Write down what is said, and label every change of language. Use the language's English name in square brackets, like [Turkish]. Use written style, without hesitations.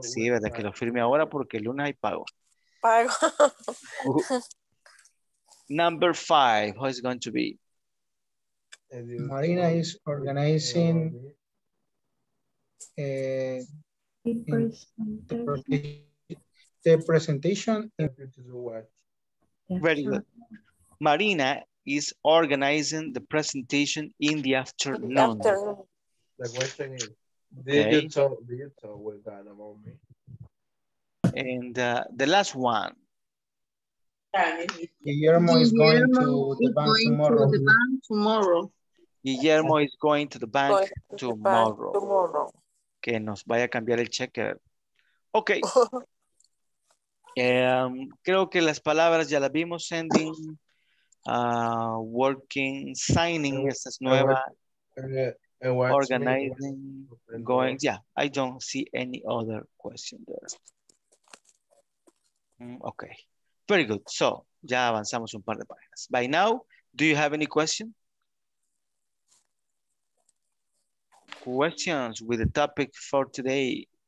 [Spanish] Sí, verdad, que lo firme ahora porque el lunes hay pago. Pago. [English] Number five, how is it going to be? Marina is organizing the presentation. Very good. Marina is organizing the presentation in the afternoon. The question is, Did you talk with that about me? And the last one. Guillermo is going to the bank tomorrow. [Spanish] Que nos vaya a cambiar el cheque. Ok. creo que las palabras ya las vimos, sending, working, signing, esta es nueva. [English] Organizing, going. Yeah, I don't see any other question there. Ok. Very good. [Spanish] So, ya avanzamos un par de páginas. [English] By now, do you have any question? Questions with the topic for today?